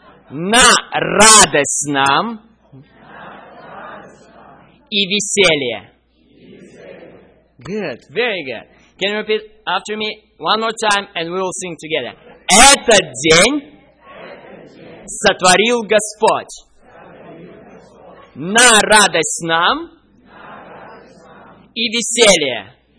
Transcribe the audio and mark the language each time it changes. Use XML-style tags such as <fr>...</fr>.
<ru>На радость нам и веселье.</ru> <en>Good, very good. Can you repeat after me one more time and we will sing together.</en> <ru>Этот день сотворил Господь. На радость нам и веселье.</ru>